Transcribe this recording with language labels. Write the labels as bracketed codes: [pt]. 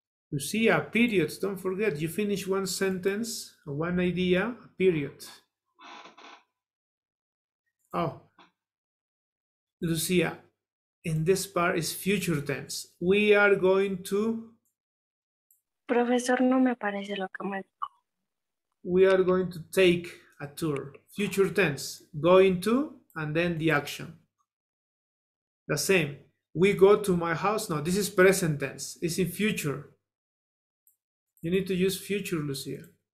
[en] You see a period, don't forget, you finish one sentence, one idea, a period. Oh, Lucia, in this part is future tense. We are going to... [es] Profesor, no me parece lo que me dijo. [en] We are going to take a tour. Future tense, going to, and then the action. The same. We go to my house. No, this is present tense. It's in future. You need to use future, Lucia.